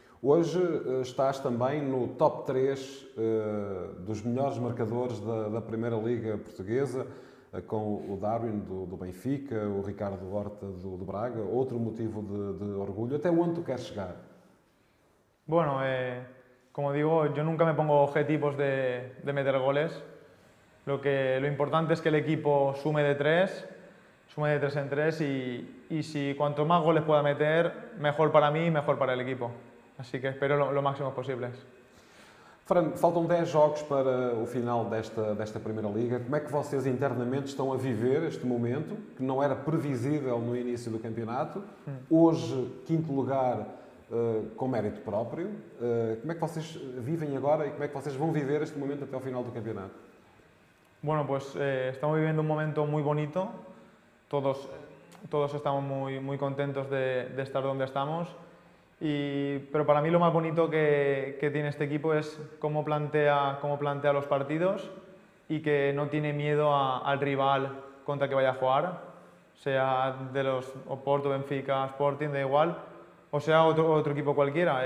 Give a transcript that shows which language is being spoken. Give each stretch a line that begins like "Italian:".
Portuguese: Hoje estás também no top 3 dos melhores marcadores da Primeira Liga Portuguesa, com o Darwin do Benfica, o Ricardo Horta do Braga, outro motivo de orgulho. Até onde tu queres chegar?
Spanish: Bueno, como digo, yo nunca me pongo objetivos de meter goles. Lo importante es que el equipo sume de tres en tres y si cuanto más goles pueda meter, mejor para mí y mejor para el equipo. Así que espero lo máximo posible.
Portuguese: Fran, faltam 10 jogos para o final desta Primeira Liga. Como é que vocês internamente estão a viver este momento, que não era previsível no início do campeonato? Hoje, quinto lugar com mérito próprio. Como é que vocês vivem agora e como é que vocês vão viver este momento até o final do campeonato?
Spanish: Bueno, pues estamos viviendo un momento muy bonito. Todos estamos muy, muy contentos de estar donde estamos. Pero para mí lo más bonito que tiene este equipo es cómo plantea los partidos y que no tiene miedo al rival contra el que vaya a jugar, sea de los Oporto, Benfica, Sporting, da igual, o sea otro equipo cualquiera.